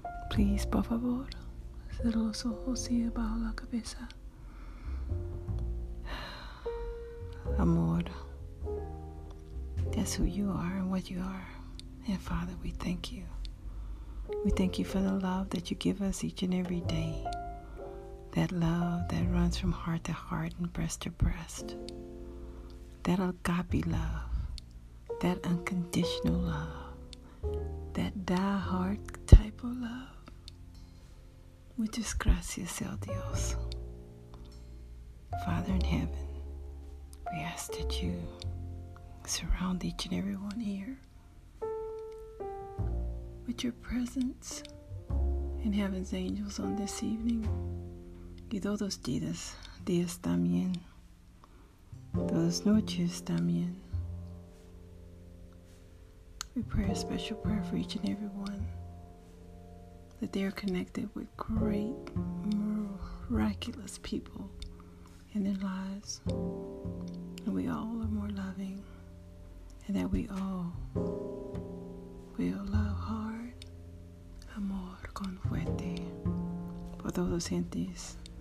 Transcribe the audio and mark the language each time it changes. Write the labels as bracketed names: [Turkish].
[English] Please, [Spanish] por favor, cierra los ojos y baja la cabeza. Amor, [English] that's who you are and what you are. And Father, we thank you. We thank you for the love that you give us each and every day. That love that runs from heart to heart and breast to breast. That agape love. That unconditional love. That die-hard type of love. Which is [Spanish] gracias a Dios. [English] Father in heaven, we ask that you surround each and every one here with your presence and heaven's angels on this evening. [Spanish] Y todos días, días también, todas noches también. [English] We pray a special prayer for each and every one, that they are connected with great, miraculous people in their lives, and we all are more loving, and that we all will love hard, [Spanish] amor con fuerte, por todos sentidos.